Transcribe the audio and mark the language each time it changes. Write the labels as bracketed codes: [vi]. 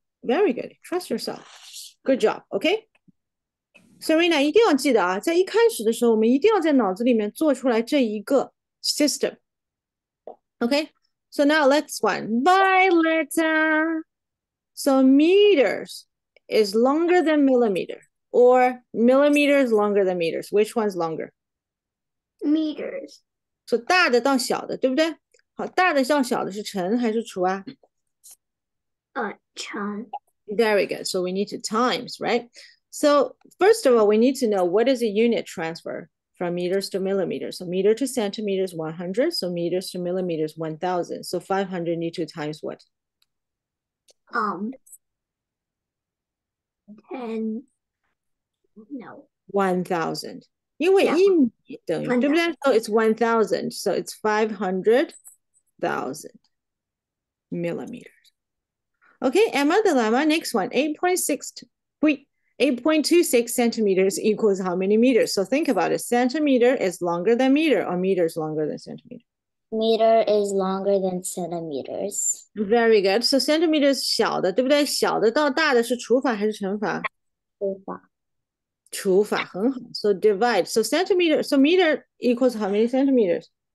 [en] Very good. Trust yourself. Good job. Okay. [zh] Serena, 一定要记得啊，在一开始的时候，我们一定要在脑子里面做出来这一个 system。 [en] Okay, so now let's one. Violeta. So meters is longer than millimeter, or millimeters longer than meters. Which one's longer? Meters. [zh] So 大的到小的，对不对？好，大的到小的是乘还是除啊？乘。 [en] Very good. So we need to times, right? So first of all, we need to know what is a unit transfer from meters to millimeters. So meter to centimeters, 100. So meters to millimeters, 1,000. So 500 need to times what? 10. No. [zh] 1,000. 因为 1 米等于，对不对？ [en] So it's 1,000. So it's 500,000 millimeters. Okay, Emma Dilemma, next one. 8.26 centimeters equals how many meters? So think about it. Centimeter is longer than meter, or meter is longer than centimeter? Meter is longer than centimeters. Very good. So centimeter is [zh] 小的，对不对？小的到大的是除法还是乘法？除法。除法，很好。 [en] So divide. So centimeter, so meter equals how many centimeters?